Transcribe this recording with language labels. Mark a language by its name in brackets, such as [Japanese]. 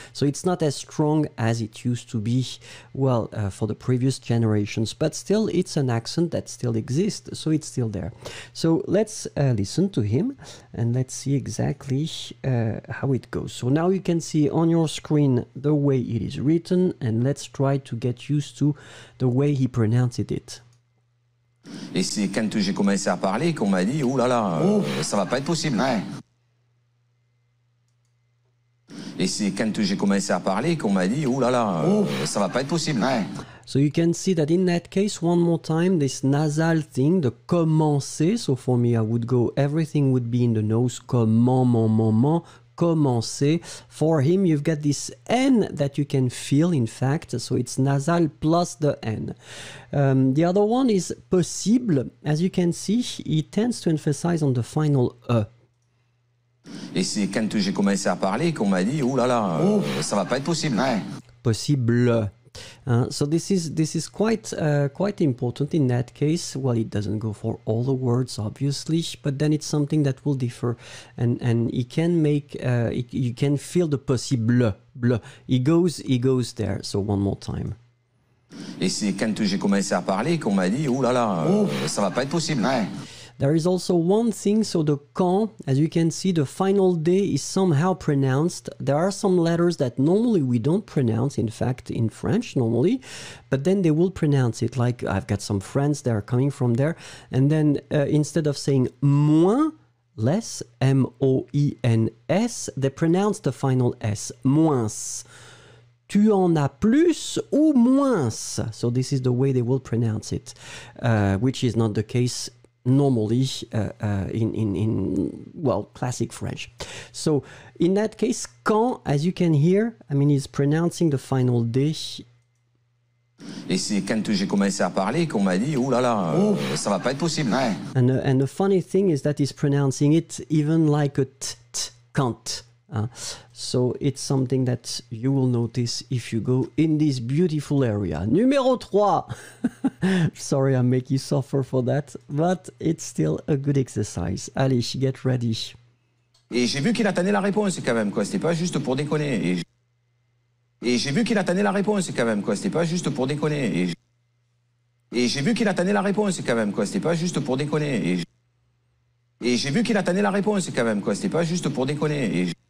[English] So it's not as strong as it used to be, well, for the previous generations, but still it's an accent that still exists, so it's still there. So let's listen to him and let's see exactly how it goes. So now you can see on your screen the way it is written, and let's try to get used to the way he pronounces it. [French] Et c'est quand j'ai commencé à parler qu'on m'a dit, oh là là, ça va pas être possible. Ouais. Et c'est quand j'ai commencé à parler qu'on m'a dit, oh là là, ça va pas être possible. Ouais. [English] So you can see that in that case, one more time, this nasal thing, the commencer, so for me, I would go, everything would be in the nose, comment, moment, commencer. For him, you've got this N that you can feel, in fact, so it's nasal plus the N. The other one is possible. As you can see, he tends to emphasize on the final E. [French] Et c'est quand j'ai commencé à parler qu'on m'a dit, oh là là, ça va pas être possible. Ouais. Possible. [English] So this is quite important in that case. Well, it doesn't go for all the words, obviously, but then it's something that will differ, and he can make you can feel the possible bleu. He goes there. So one more time. [French] Et c'est quand j'ai commencé à parler qu'on m'a dit, oh là là, ça va pas être possible. Ouais. [English] There is also one thing, so the quand, as you can see, the final D is somehow pronounced. There are some letters that normally we don't pronounce, in fact, in French normally, but then they will pronounce it, like I've got some friends that are coming from there, and then instead of saying moins, less, M-O-I-N-S, they pronounce the final S, moins. [French] Tu en as plus ou moins? [English] So this is the way they will pronounce it, which is not the case normally in well, classic French. So in that case, quand, as you can hear, I mean, he's pronouncing the final D. [French] Et c'est quand j'ai commencé à parler qu'on m'a dit, oh là là, ça va pas être possible. Ouais. [English] And the funny thing is that he's pronouncing it even like a t, quand. So it's something that you will notice if you go in this beautiful area. Numéro 3. Sorry, I make you suffer for that, but it's still a good exercise. Allez, get ready. [French] Et j'ai vu qu'il attendait la réponse quand même, quoi. C'était pas juste pour déconner. Et j'ai vu qu'il attendait la réponse quand même, quoi. C'était pas juste pour déconner. Et j'ai vu qu'il attendait la réponse quand même, quoi. C'était pas juste pour déconner. Et j'ai vu qu'il attendait la réponse quand même, quoi. C'était pas juste pour déconner.